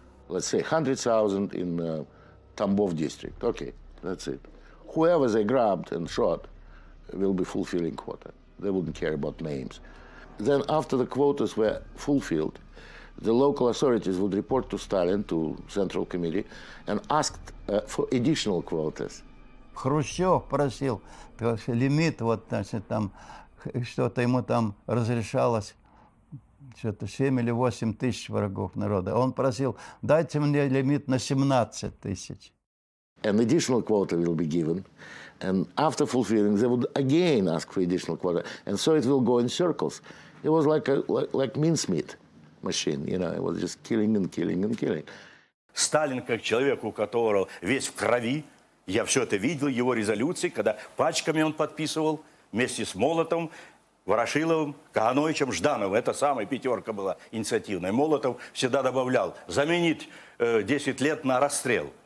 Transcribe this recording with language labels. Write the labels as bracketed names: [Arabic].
[English] Let's say 100,000 in Tambov district. Okay, that's it. Whoever they grabbed and shot will be fulfilling quota. They wouldn't care about names. Then after the quotas were fulfilled, the local authorities would report to Stalin, to Central Committee, and asked for additional quotas. [Russian] Хрущев просил, то есть лимит, вот, значит, там, что-то ему там разрешалось, что-то 7 или 8 тысяч врагов народа. Он просил, дайте мне лимит на 17 тысяч. [English] An additional quota will be given. And after fulfilling, they would again ask for additional quota. And so it will go in circles. It was like mincemeat machine, you know, it was just killing and killing and killing. [Russian] Сталин, как человек, у которого весь в крови, я все это видел, его резолюции, когда пачками он подписывал, вместе с Молотом, Ворошиловым, Кагановичем, Ждановым. Это самая пятерка была инициативная. Молотов всегда добавлял, заменить 10 лет на расстрел.